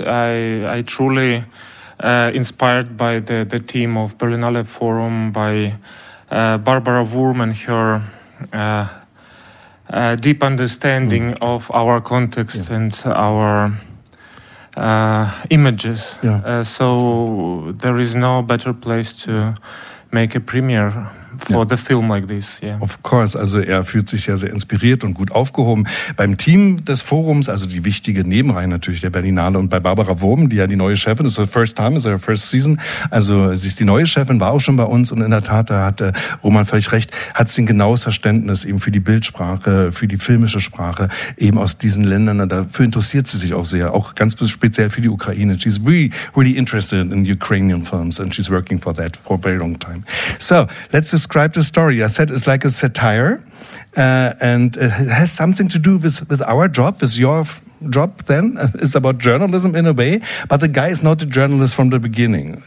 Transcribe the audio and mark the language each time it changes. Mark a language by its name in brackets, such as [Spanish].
[English] I truly inspired by the team of Berlinale Forum, by Barbara Wurm and her deep understanding of our context and our images. So there is no better place to make a premiere for the film like this. Of course, [German] also er fühlt sich ja sehr inspiriert und gut aufgehoben beim Team des Forums, also die wichtige Nebenreihe natürlich der Berlinale und bei Barbara Wurm, die ja die neue Chefin ist, [English] her first season, [German] also sie ist die neue Chefin, war auch schon bei uns und in der Tat, da hatte Roman völlig recht, hat sie ein genaues Verständnis eben für die Bildsprache, für die filmische Sprache eben aus diesen Ländern und dafür interessiert sie sich auch sehr, auch ganz speziell für die Ukraine. [English] She's really, really interested in Ukrainian films and she's working for that for a very long time. So, let's describe the story. I said it's like a satire and it has something to do with our job, with your job then. It's about journalism in a way, but the guy is not a journalist from the beginning.